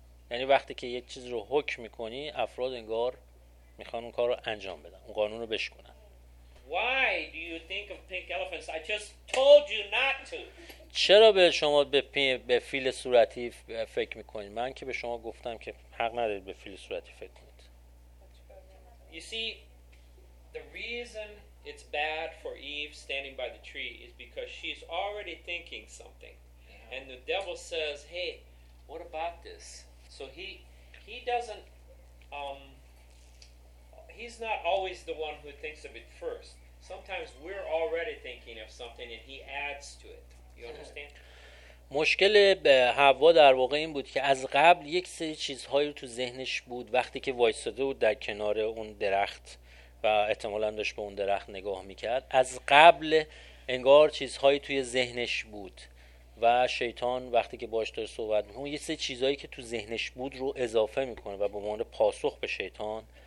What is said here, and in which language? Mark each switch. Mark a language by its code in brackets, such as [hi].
[fa] یعنی وقتی که یک چیز رو حکم میکنی افراد انگار میخوان اون کار رو انجام بدن، اون قانون رو بشکنن. [en] Why do you think of pink elephants? I just told you not to. [fa] چرا به شما به فیل صورتی فکر میکنید؟ من که به شما گفتم که حق ندارید به فیل صورتی فکر کنید. [en] You see, the reason it's bad for Eve standing by the tree is because she's already thinking something. Yeah. And the devil says, hey, what about this? So he's not always the one who thinks of it first. Sometimes we're already thinking of something and he adds to it. You understand? [fa] مشکل به حوا در واقع این بود که از قبل یک سری چیزهایی تو ذهنش بود، وقتی که وایستاده بود در کنار اون درخت و احتمالاً داشت به اون درخت نگاه میکرد، از قبل انگار چیزهایی توی ذهنش بود و شیطان وقتی که باش داره صحبت میکنه یه سری چیزهایی که تو ذهنش بود رو اضافه میکنه و به عنوان پاسخ به شیطان